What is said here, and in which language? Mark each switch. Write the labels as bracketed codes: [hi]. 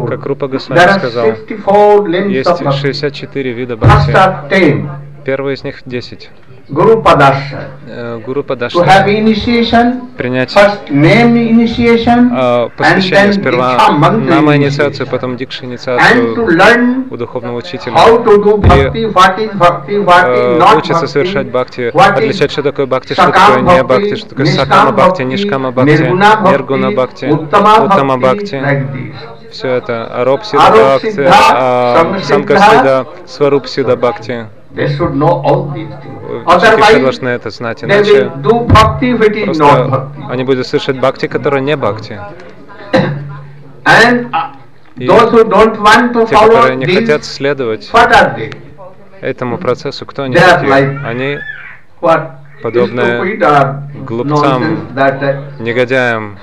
[ru] как Рупа Госвами сказал, есть 64 вида бхакти. Первый из них 10. Гуру Падаша. Гуру Падаша. [en] To have initiation, [ru] принять [en] first name initiation, [ru] посвящение [en] and then [ru] сперва нама инициацию, потом дикша инициацию у духовного учителя. [en] How to do bhakti, what is bhakti, what is not [ru] учиться bhakti, совершать бхакти, отличать, что такое бхакти, что такое не бхакти, что такое сакама бхакти, нишкама бхакти, ниргуна бхакти, уттама бхакти. Все это. Ароб сида бхакти, самка сида, сваруп сида бхакти. [en] They should know all these things. Otherwise, [ru] должны это знать, иначе [en] they will do bhakti, which is not bhakti. [ru] Они будут слышать бхакти, которая не бхакти. [en] And those who don't want to [ru] те, [en] follow [ru] которые не [en] these, [ru] хотят следовать [en] what are they? [ru] Этому процессу, кто они? [en] They are like, [ru] они [en] what? [ru] Подобные глупцам, негодяям.